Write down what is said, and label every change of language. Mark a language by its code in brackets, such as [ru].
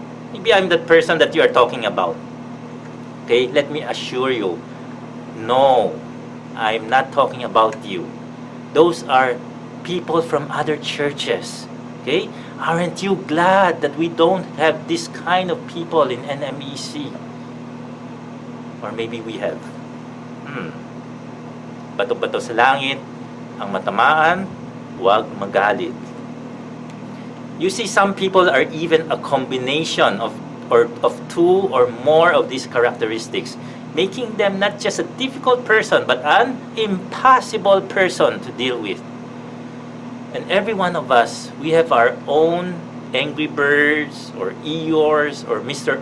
[en] Maybe I'm that person that you are talking about. Okay, let me assure you, no, I'm not talking about you. Those are people from other churches. Okay, aren't you glad that we don't have this kind of people in NMEC? Or maybe we have. [tl] Bato-bato sa langit, ang matamaan, huwag magalit. [en] You see, some people are even a combination of two or more of these characteristics, making them not just a difficult person, but an impossible person to deal with. And every one of us, we have our own Angry Birds or Eeyores or Mr.